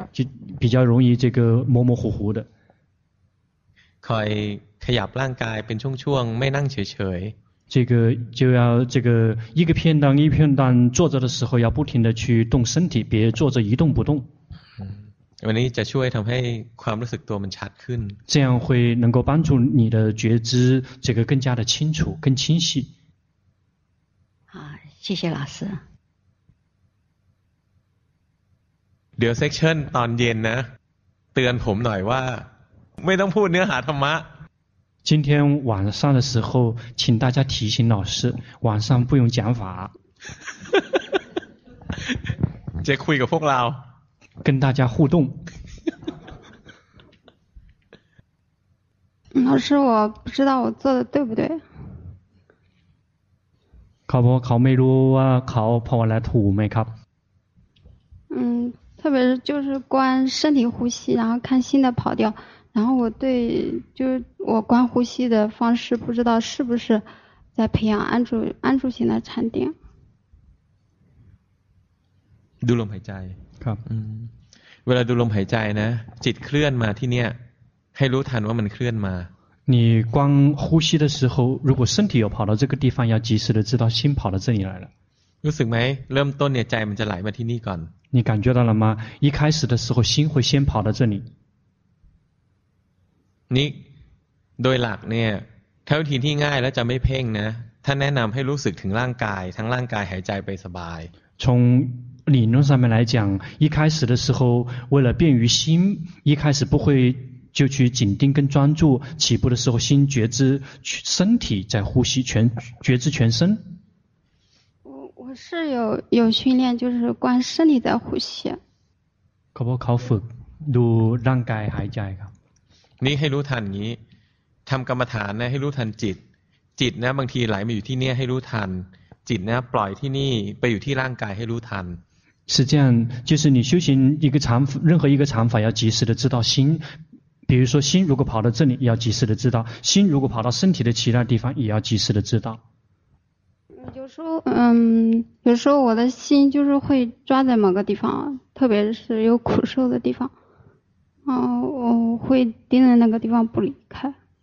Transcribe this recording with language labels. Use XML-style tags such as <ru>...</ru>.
<zh>就比较容易这个模模糊糊的</zh> <th>คอยขยับร่างกายเป็นช่วงๆไม่นั่งเฉย</th> <zh>ๆ这个就要这个一个片段一片段坐着的时候要不停的去动身体别坐着一动不动</zh> <th>วันนี้จะช่วยทำให้ความรู้สึกตัวมันชัดขึ้น</th> <zh>这样会能够帮助你的觉知这个更加的清楚更清晰谢谢老师</zh> <th>เดี๋ยวเซ็กชั่นตอนเย็นนะเตือนผมหน่อยว่าไม่ต้องพูดเนื้อหาธรรมะ</th> <zh>今天晚上的时候请大家提醒老师晚上不用讲法</zh> <th>จะคุยกับพวกเรา</th> <zh>跟大家互动老师我不知道我做的对不对</zh> <th>เขาไม่รู้ว่าเขาภาวนาถูกไหมครับ</th> <zh>特别是就是观身体呼吸然后看心的跑掉然后我对就是我观呼吸的方式不知道是不是在培养安住型的禅定</zh> <th>ดูลมหายใจ ครับ เวลาดูลมหายใจนะจิตเคลื่อนมาที่เนี่ยให้รู้ทันว่ามันเคลื่อนมา</th> <zh>你光呼吸的时候如果身体有跑到这个地方要及时的知道心跑到这里来了</zh> <th>รู้สึกไหมเริ่มต้นเนี่ยใจมันจะไหลมาที่นี่ก่อน</th> <zh>你感觉到了吗一开始的时候心会先跑到这里</zh> <th>นี่โดยหลักเนี่ยถ้าวิธีที่ง่ายแล้วจะไม่เพ่งนะท่านแนะนำให้รู้สึกถึงร่างกายทั้งร่างกายหายใจไปสบาย</th> <zh>从理论上面来讲一开始的时候为了便于心一开始不会就去紧盯跟专注起步的时候心觉知身体在呼吸全觉知全身我是有训练，就是观身体的呼吸。可不可以</zh> <th>ฝึกดูร่างกายหายใจครับ？ นี่ให้รู้ทันนี้ทำกรรมฐานนะให้รู้ทันจิตจิตนะบางทีไหลมาอยู่ที่เนี้ยให้รู้ทันจิตนะปล่อยที่นี่ไปอยู่ที่ร่างกายให้รู้ทัน</th> <zh>是这样，就是你修行一个禅，任何一个禅法要及时的知道心。比如说心如果跑到这里要及时的知道，心如果跑到身体的其他地方也要及时的知道。有时候我的心就是会抓在某个地方，特别是有苦受的地方，我会盯在那个地方不离开。</zh>